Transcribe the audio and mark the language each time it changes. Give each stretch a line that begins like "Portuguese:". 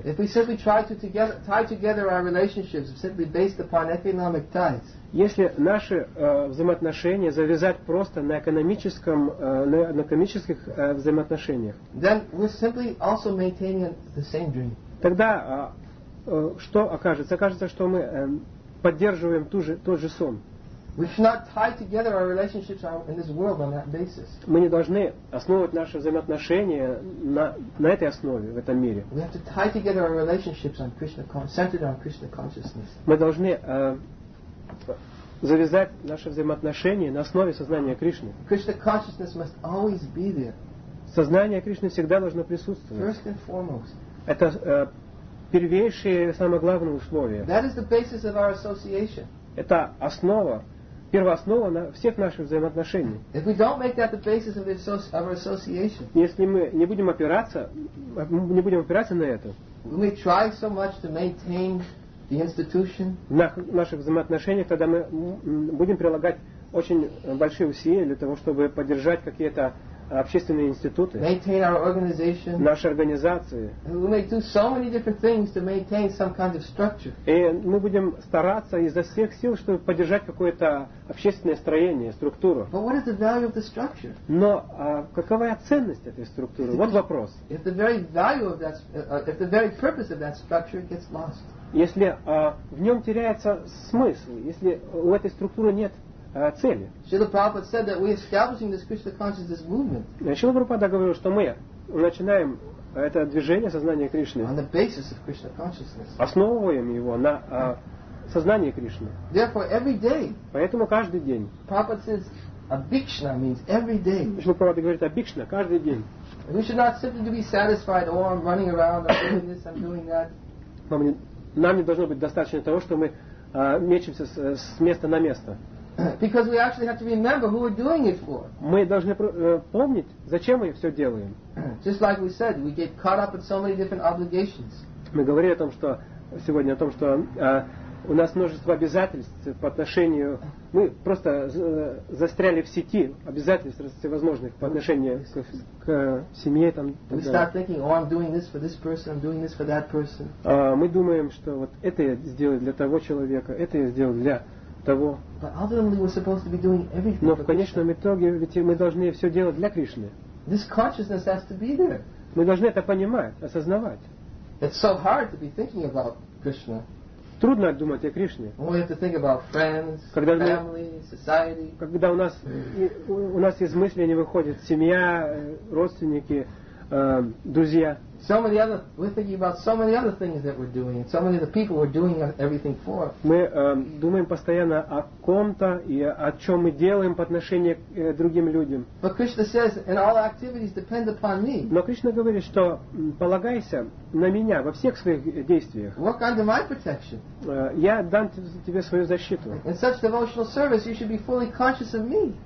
English: If we simply try to tie together our relationships simply based upon economic ties.
Russian: Если наши взаимоотношения завязать просто на экономическом, на экономических взаимоотношениях,
English: then we're simply also maintaining the same dream.
Russian: Тогда что окажется? Окажется, что мы поддерживаем тот же сон.
English: We should not tie together our relationships in this world on that basis.
Russian: Мы не должны основывать наши взаимоотношения на этой основе в этом мире.
English: We have to tie together our relationships on Krishna, centered on Krishna consciousness.
Russian: Мы должны завязать наши взаимоотношения на основе сознания Кришны.
English: Krishna consciousness must always be there.
Russian: Сознание Кришны всегда должно присутствовать.
English: First and foremost.
Russian: Это первейшее и самое главное условие.
English: That is the basis of our association.
Russian: Это основа, первооснова на всех наших взаимоотношений.
English: If we don't make that the basis of our association,
Russian: если мы не будем опираться на это,
English: we try so much to maintain the institution.
Russian: В наших взаимоотношениях, когда мы будем прилагать очень большие усилия для того, чтобы поддержать какие-то общественные институты,
English: maintain our organization,
Russian: наши организации.
English: We may do so many different things to maintain some kind of structure.
Russian: И мы будем стараться изо всех сил, чтобы поддержать какое-то общественное строение, структуру.
English: But what is the value of the structure?
Russian: Но какова ценность этой структуры? Вот вопрос.
English: If the very value of that, if the very purpose of that structure gets lost.
Russian: Если в нем теряется смысл, если у этой структуры нет цели.
English: Шрила Прабхупада said that we are establishing this Krishna consciousness movement.
Russian: Шрила Прабхупада говорил, что мы начинаем это движение сознания Кришны.
English: On the basis of Krishna consciousness.
Russian: Основываем его на сознании Кришны.
English: Therefore, every day.
Russian: Поэтому каждый день.
English: Prabhupada says, "Абикшна" means every day.
Russian: Шрила Прабхупада говорит, "Абикшна" каждый день.
English: We should not simply be satisfied, "Oh, I'm running around, I'm doing this, I'm doing that."
Russian: Нам не должно быть достаточно того, что мы мечемся с места на место.
English: Because we actually have to remember who we're doing it for.
Russian: Мы должны помнить, зачем мы все делаем.
English: Just like we said, we get caught up in so many different obligations.
Russian: Мы говорили о том, что сегодня о том, что у нас множество обязательств по отношению. Мы просто застряли в сети обязательств всевозможных по отношению к семье там.
English: We start thinking, oh, I'm doing this for this person, I'm doing this for that person.
Russian: Мы думаем, что вот это я сделаю для того человека, это я сделаю для того.
English: But ultimately, we're supposed to be doing everything.
Russian: Но в конечном итоге, ведь мы должны все делать для Кришны.
English: This consciousness has to be there.
Russian: Мы должны это понимать, осознавать.
English: It's so hard to be thinking about Krishna.
Russian: Трудно думать о Кришне.
English: We have to think about friends,
Russian: когда мы,
English: family, society.
Russian: Когда у нас из мысли не выходит семья, родственники, друзья.
English: So many other, we're thinking about so many other things that we're doing, so many other people we're doing everything for.
Russian: Мы думаем постоянно о ком-то и о чем мы делаем по отношению к другим людям.
English: But Krishna says, and all activities depend upon me.
Russian: Но Кришна говорит, что полагайся на меня во всех своих действиях.
English: Work under my protection.
Russian: Я дам тебе свою защиту.
English: In such devotional service, you should be fully conscious of me.